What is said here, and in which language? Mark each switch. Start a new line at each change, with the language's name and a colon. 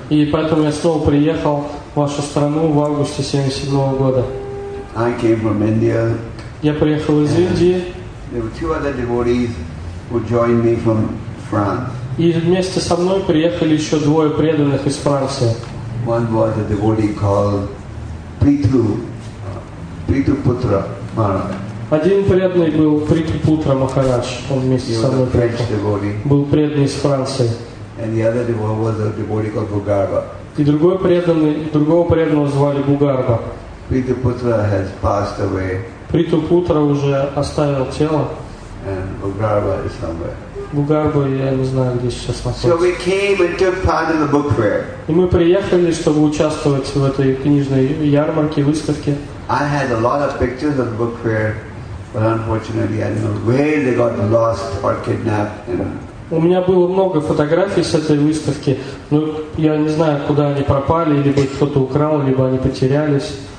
Russian: И поэтому я снова приехал в вашу страну в августе 77 года.
English: I came from India.
Russian: Я приехал из Индии.
English: There were two other devotees who joined me from France.
Russian: И вместе со мной приехали еще двое преданных из Франции.
English: One was a devotee called Prithu, Prithu Putra Maharaj.
Russian: Один преданный был Prithu Putra Maharaj. Он вместе со мной приехал. Был преданный из Франции.
English: And the other devotee was a devotee called Bhugarbha.
Russian: И другой преданный, другого преданного звали Бхугарба.
English: Prithu Putra has passed away.
Russian: Prithu Putra уже оставил тело.
English: And Bhugarbha is somewhere.
Russian: Бхугарба, я не знаю, где сейчас находится.
English: So we came and took part in the book fair.
Russian: И мы приехали, чтобы участвовать в этой книжной ярмарке, выставке.
English: I had a lot of pictures of the book fair, but unfortunately, I don't know where they got lost or kidnapped.
Russian: У меня было много фотографий с этой выставки, но я не знаю, куда они пропали, либо кто-то украл, либо они потерялись.